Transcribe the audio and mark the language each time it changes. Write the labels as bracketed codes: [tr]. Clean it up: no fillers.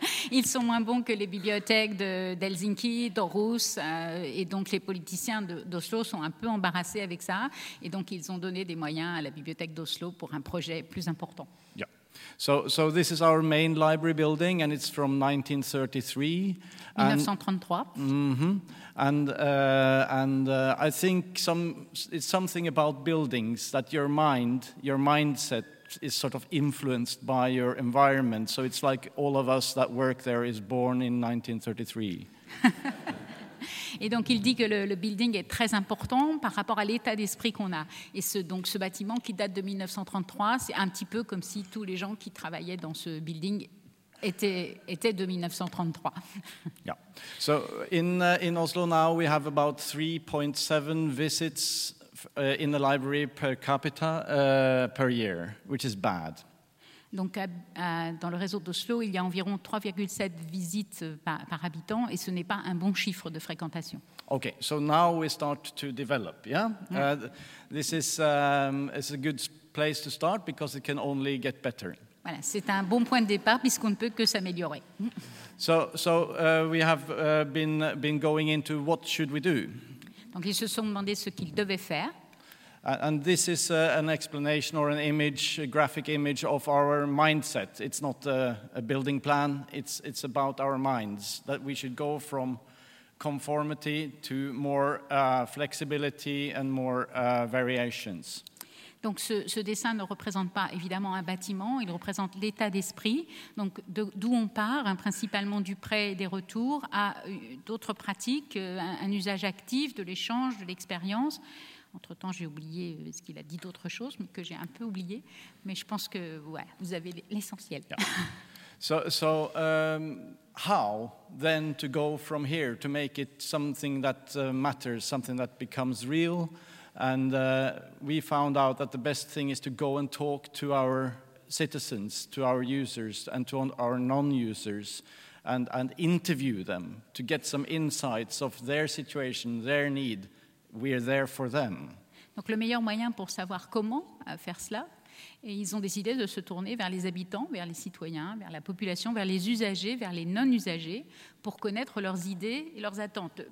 [fr] Ils sont moins bons que les bibliothèques d'Helsinki, d'Aarhus, et donc les politiciens d'Oslo sont un peu embarrassés avec ça, et donc ils ont donné des moyens à la bibliothèque d'Oslo pour un projet plus important. [en] Yeah. So this is our main library building, and it's from 1933. I think it's something about buildings that your mindset. Is sort of influenced by your environment, so it's like all of us that work there is born in 1933. [fr] Et donc, il dit que le building est très important par rapport à l'état d'esprit qu'on a. Et ce bâtiment qui date de 1933, c'est un petit peu comme si tous les gens qui travaillaient dans ce building était de 1933. [en] Yeah. So in Oslo now we have about 3.7 visits in the library per capita per year, which is bad. [fr] Donc dans le réseau d'Oslo, il y a environ 3,7 visites par habitant et ce n'est pas un bon chiffre de fréquentation. [en] Okay. So now we start to develop, yeah? This is it's a good place to start because it can only get better. [fr] Voilà, c'est un bon point de départ puisqu'on ne peut que s'améliorer. [en] So we have been going into what should we do? [fr] Donc ils se sont demandé ce qu'ils devaient faire. [en] And this is an explanation or an image, a graphic image of our mindset. It's not a building plan. It's about our minds that we should go from conformity to more flexibility and more variations. [fr] Donc ce dessin ne représente pas évidemment un bâtiment, il représente l'état d'esprit, donc d'où on part, principalement du prêt et des retours, à d'autres pratiques, un usage actif de l'échange, de l'expérience. Entre-temps, j'ai oublié ce qu'il a dit d'autres choses, mais que j'ai un peu oublié, mais je pense que ouais, vous avez l'essentiel. [en] Yeah. So how then to go from here, to make it something that matters, something that becomes real? And we found out that the best thing is to go and talk to our citizens, to our users, and to our non-users, and interview them to get some insights of their situation, their need. We are there for them. [fr] Donc le meilleur moyen pour savoir comment faire cela, et ils ont décidé de se tourner vers les habitants, vers les citoyens, vers la population, vers les usagers, vers les non-usagers, pour connaître leurs idées et leurs attentes.